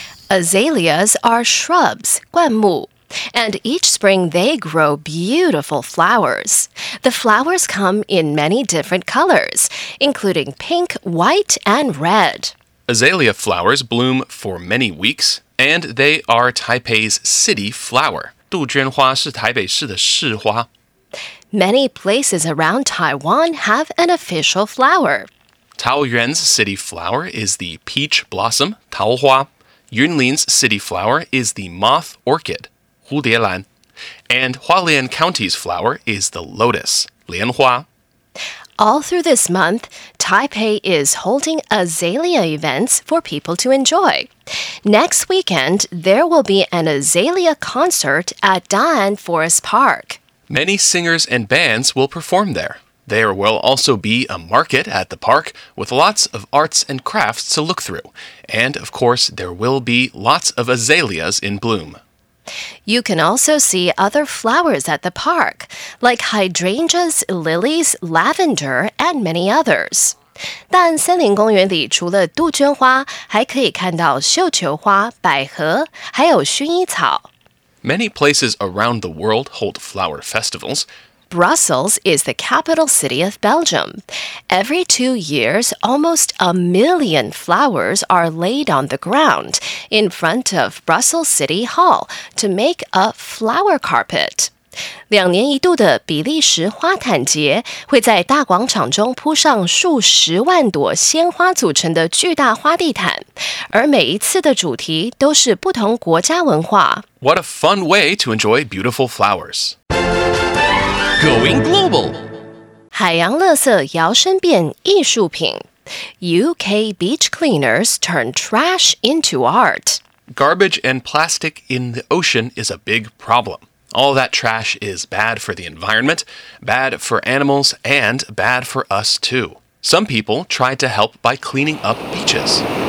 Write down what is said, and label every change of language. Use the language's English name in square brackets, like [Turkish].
[English] Azaleas are shrubs, [Chinese] 灌木, [English] and each spring they grow beautiful flowers. The flowers come in many different colors, including pink, white, and red. Azalea flowers bloom for many weeks,And they are Taipei's city flower. [Chinese] 杜鹃花是台北市的市花。 [English] Many places around Taiwan have an official flower. Taoyuan's city flower is the peach blossom, [Chinese] 桃花。 [English] Yunlin's city flower is the moth orchid, [Chinese] 蝴蝶兰。 [English] And Hualien County's flower is the lotus, [Chinese] 莲花。 [English] All through this month, Taipei is holding azalea events for people to enjoy. Next weekend, there will be an azalea concert at Da'an Forest Park. Many singers and bands will perform there. There will also be a market at the park with lots of arts and crafts to look through. And of course, there will be lots of azaleas in bloom. You can also see other flowers at the park, like hydrangeas, lilies, lavender, and many others. [Chinese] 但森林公园里除了杜鹃花，还可以看到绣球花、百合，还有薰衣草。 [English] Many places around the world hold flower festivals. Brussels is the capital city of Belgium. Every 2 years, almost 1 million flowers are laid on the ground. In front of Brussels City Hall to make a flower carpet. [Chinese] 两年一度的比利时花毯节会在大广场中铺上数十万朵鲜花组成的巨大花地毯，而每一次的主题都是不同国家文化。 [English] What a fun way to enjoy beautiful flowers! Going global! [Chinese] 海洋垃圾摇身变艺术品。 [English] UK beach cleaners turn trash into art. Garbage and plastic in the ocean is a big problem. All that trash is bad for the environment, bad for animals, and bad for us too. Some people tried to help by cleaning up beaches.